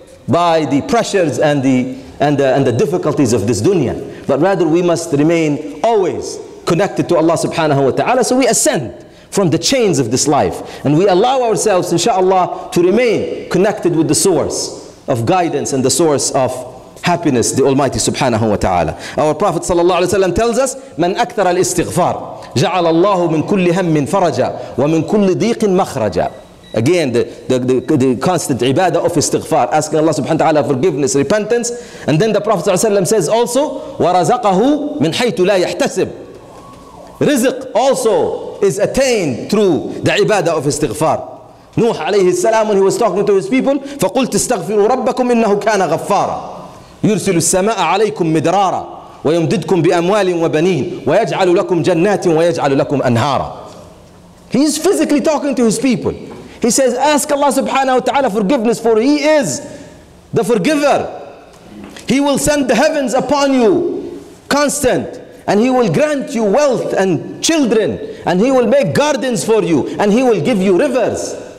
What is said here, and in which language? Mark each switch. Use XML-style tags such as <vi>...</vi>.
<en>by the pressures and the difficulties of this dunya, but rather we must remain always connected to Allah subhanahu wa ta'ala, so we ascend from the chains of this life and we allow ourselves, inshallah, to remain connected with the source of guidance and the source of happiness, the Almighty subhanahu wa ta'ala. Our Prophet sallallahu alayhi wa sallam tells us,</en> <ar>من أكثر الاستغفار جعل الله من كل هم فرجا ومن كل ضيق مخرجا.</ar> <en>Again, the constant ibadah of istighfar, asking Allah subhanahu wa ta'ala forgiveness, repentance. And then the Prophet sallallahu alayhi wa sallam says also,</en> <ar>ورزقه من حيث لا يحتسب.</ar> <en>Rizq also is attained through the ibadah of istighfar. Nuh alayhi salam, when he was talking to his people,</en> <ar>فَقُلْتِ اسْتَغْفِرُوا رَبَّكُمْ إِنَّهُ كَانَ غَفَّارًا يُرْسِلُ السَّمَاءَ عَلَيْكُمْ مِدْرَارًا وَيُمْدِدْكُمْ بِأَمْوَالٍ وَبَنِينَ وَيَجْعَلُ لَكُمْ جَنَّاتٍ وَيَجْعَلُ لَكُمْ أَنْهَارًا.</ar> <en>He is physically talking to his people. He says, ask Allah subhanahu wa ta'ala forgiveness, for He is the forgiver. He will send the heavens upon you constant, and He will grant you wealth and children, and He will make gardens for you, and He will give you rivers.</en>